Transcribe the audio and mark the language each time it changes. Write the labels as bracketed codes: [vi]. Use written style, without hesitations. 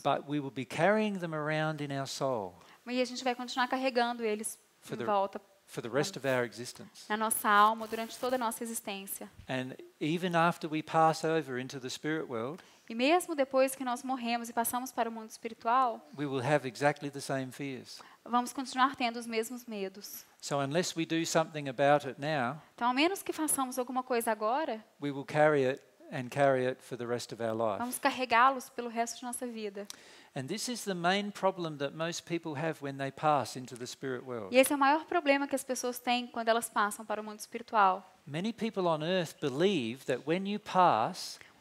[en] But we will be carrying them around in our soul. [pt] E a gente vai continuar carregando eles em volta. [en] For the rest of our existence. [pt] Na nossa alma, durante toda a nossa existência. [en] And even after we pass over into the spirit world, [pt] e mesmo depois que nós morremos e passamos para o mundo espiritual, [en] we will have exactly the same fears. [pt] Vamos continuar tendo os mesmos medos. [en] So unless we do something about it now, [pt] então, ao menos que façamos alguma coisa agora, [en] we will carry it and carry it for the rest of our life. [pt] Vamos carregá-los pelo resto de nossa vida. [en] And this is the main problem that most people have when they pass into the spirit world. [pt] E esse é o maior problema que as pessoas têm quando elas passam para o mundo espiritual. [en] Many people on earth believe that when you pass,